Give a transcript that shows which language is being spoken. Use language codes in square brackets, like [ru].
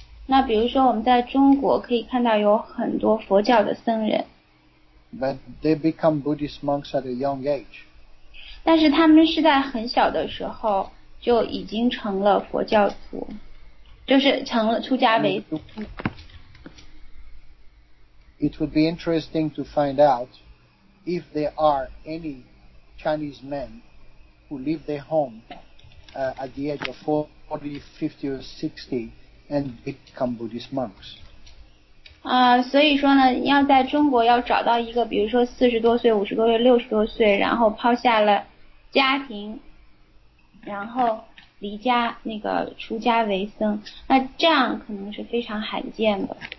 [zh] 那比如说我们在中国可以看到有很多佛教的僧人。 [en] But they become Buddhist monks at a young age. [zh] 但是他们是在很小的时候就已经成了佛教徒，就是成了出家为僧。 [en] It would be interesting to find out if there are any Chinese men who leave their home at the age of 40, 50 or 60,And become Buddhist monks. [zh] 所以说呢，要在中国要找到一个，比如说四十多岁、五十多岁、六十多岁，然后抛下了家庭，然后离家那个出家为僧，那这样可能是非常罕见的。